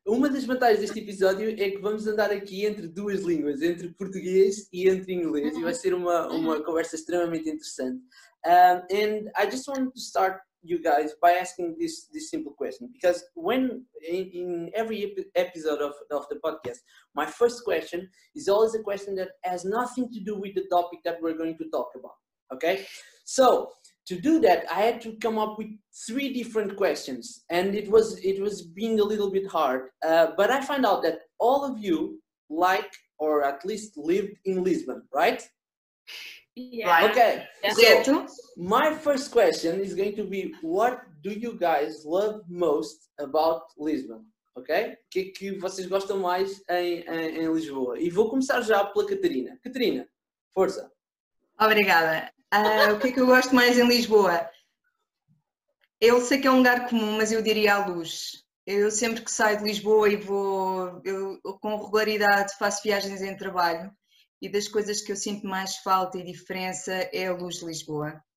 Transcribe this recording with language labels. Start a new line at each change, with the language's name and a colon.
Portuguese: Uma das vantagens deste episódio é que vamos andar aqui entre duas línguas, entre português e entre inglês, e vai ser uma conversa extremamente interessante.
English: And I just wanted to start you guys by asking this simple question, because when in every episode of the podcast, my first question is always a question that has nothing to do with the topic that we're going to talk about. Okay, so to do that, I had to come up with three different questions, and it was being a little bit hard. But I find out that all of you like or at least lived in Lisbon, right? Yeah. Okay, so my first question is going to be, what do you guys love most about Lisbon?
Portuguese: Okay, o que é que vocês gostam mais em Lisboa? E vou começar já pela Catarina. Catarina, força. Obrigada. O que é que eu gosto mais em Lisboa? Eu sei que é um lugar comum, mas eu diria a luz. Eu sempre que saio de Lisboa e vou, eu com regularidade faço viagens em trabalho, e das coisas que eu sinto mais falta e diferença é a luz de Lisboa.